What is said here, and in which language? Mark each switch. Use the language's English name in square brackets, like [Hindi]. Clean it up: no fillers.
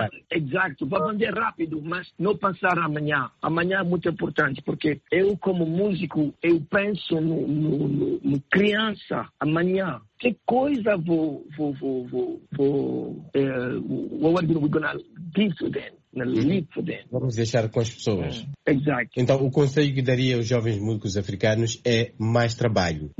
[Portuguese] Exato, vou vender rápido, mas não passar amanhã. Amanhã é muito importante, porque eu como músico, eu penso no criança amanhã. Que coisa vou [English] what are we gonna give to them? [Portuguese] Vamos deixar com as pessoas. Exato. Então, o conselho que daria aos jovens músicos africanos é mais trabalho.